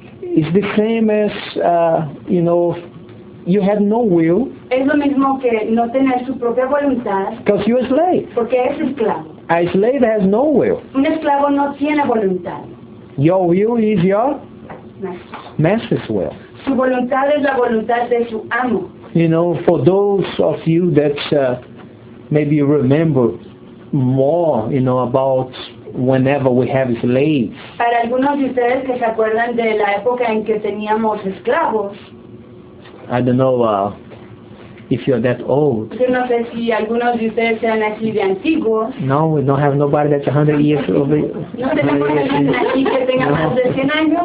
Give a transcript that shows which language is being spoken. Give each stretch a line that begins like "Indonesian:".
English: is the same as, you know, you had no will.
Spanish: Es lo mismo que no tener su propia voluntad.
English: Because you're a slave.
Spanish: Porque es esclavo.
English: A slave has no will.
Spanish: Un esclavo no tiene voluntad.
English: Your will is your master's will.
Spanish: Su voluntad es la voluntad de su amo.
English: You know, for those of you that maybe remember more, you know, about whenever we have slaves.
Spanish: Para algunos de ustedes que se acuerdan de la época en que teníamos esclavos.
English: I don't know if you're that old.
Spanish: Yo no sé si algunos de ustedes sean así de antiguos.
English: No, we don't have nobody that's 100 years old.
Spanish: No tenemos nadie aquí que tenga más de 100 años.